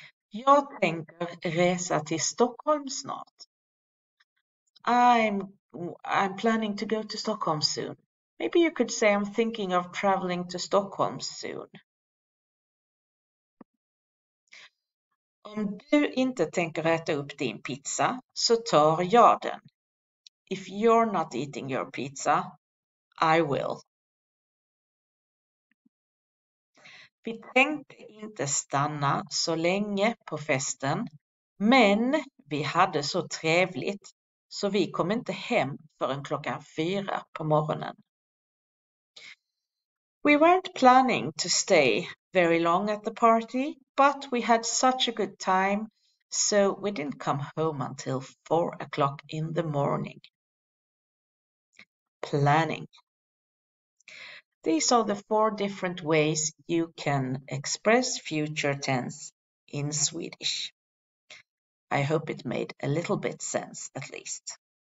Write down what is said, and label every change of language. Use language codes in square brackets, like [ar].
[sv] Jag tänker resa till Stockholm snart. [en] I'm planning to go to Stockholm soon. Maybe you could say I'm thinking of traveling to Stockholm soon. [sv] Om du inte tänker äta upp din pizza så tar jag den. [en] If you're not eating your pizza, I will. [sv] Vi tänkte inte stanna så länge på festen, men vi hade så trevligt. Så vi kom inte hem förrän klockan 4 på morgonen. [en] We weren't planning to stay very long at the party, but we had such a good time, so we didn't come home until 4 o'clock in the morning. Planning. These are the four different ways you can express future tense in Swedish. I hope it made a little bit sense, at least.